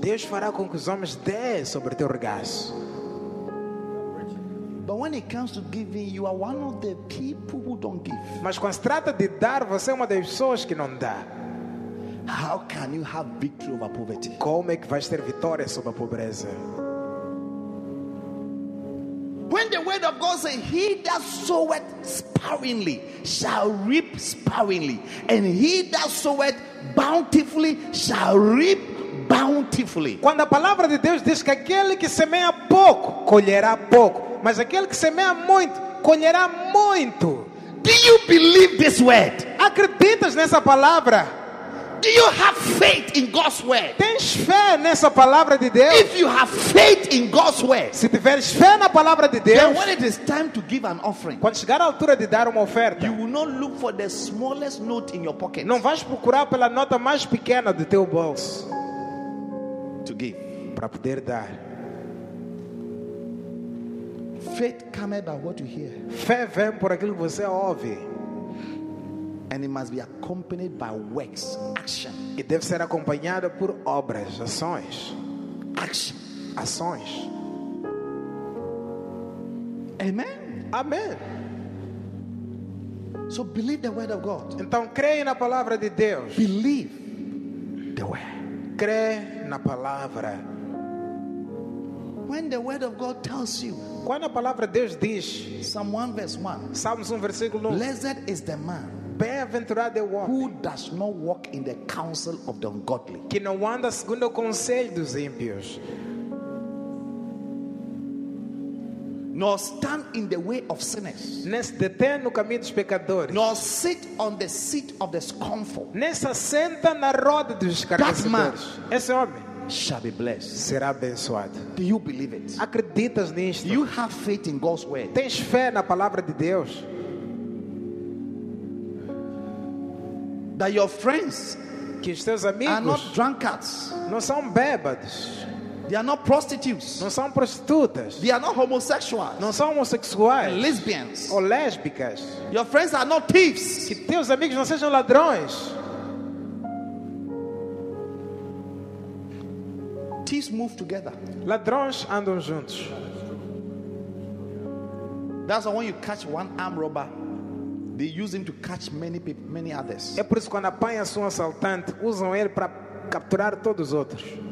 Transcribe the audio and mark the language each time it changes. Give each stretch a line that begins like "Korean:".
Portuguese: Deus fará com que os homens dêem sobre teu regaço.
English: But when it comes to giving, you are one of the people who don't give.
Portuguese: Mas quando se trata de dar, você é uma das pessoas que não dá.
English: How can you have victory over poverty?
Portuguese: Como é que vais ter vitória sobre a pobreza?
English: When the word of God says, he that soweth sparingly shall reap sparingly, and he that soweth bountifully shall reap bountifully.
Portuguese: Quando a palavra de Deus diz que aquele que semeia pouco colherá pouco, mas aquele que semeia muito colherá muito.
English: Do you believe this word?
Portuguese: Acreditas nessa palavra?
English: Do you have faith in God's word?
Portuguese: Tens fé nessa palavra de Deus?
English: If you have faith in God's word,
Portuguese: se tiveres fé na palavra de Deus,
English: then when it is time to give an offering,
Portuguese: quando chegar a altura de dar uma oferta,
English: you will not look for the smallest note in your pocket.
Portuguese: Não vais procurar pela nota mais pequena do teu bolso.
English: To give,
Portuguese: para poder dar.
English: Faith comes by what you hear.
Portuguese: Fé vem por aquilo que você ouve.
English: And it must be accompanied by works, action.
Portuguese: E deve ser acompanhada por obras, ações.
English: Action.
Portuguese: Ações.
English: Amen.
Portuguese: Amen.
English: So believe the word of God.
Portuguese: Então creia na palavra de Deus.
English: Believe the word.
Portuguese: Crê na palavra.
English: When the word of God tells you,
Portuguese: quando a palavra de Deus diz,
English: Psalm 1 verse 1.
Portuguese: Salmos 1 versículo 1.
English: Blessed is the man.
Portuguese: Bem-aventurado é o homem
English: who does not walk in the counsel of the ungodly.
Portuguese: Que não anda segundo o conselho dos ímpios.
English: Nor stand in the way of sinners.
Portuguese: Nem se detém no caminho dos pecadores.
English: Nor sit on the seat of the scornful.
Portuguese: Nem se assenta na roda dos escarnecedores.
English: That man,
Portuguese: esse homem,
English: shall be blessed.
Portuguese: Será abençoado.
English: Do you believe it?
Portuguese: Acreditas nisto?
English: Do you have faith in God's word?
Portuguese: Tens fé na palavra de Deus?
English: That your friends,
Portuguese: que os teus amigos,
English: are not drunkards,
Portuguese: não são bêbados,
English: they are not prostitutes,
Portuguese: não são prostitutas,
English: they are not homosexuals,
Portuguese: não são homossexuais,
English: lesbians,
Portuguese: ou lésbicas,
English: your friends are not thieves,
Portuguese: que teus amigos não sejam ladrões.
English: Thieves move together.
Portuguese: Ladrões andam juntos.
English: That's why when you catch one arm robber, they use him to catch many people, many others.
Portuguese: É por isso que quando apanham um assaltante, usam ele para capturar todos os outros.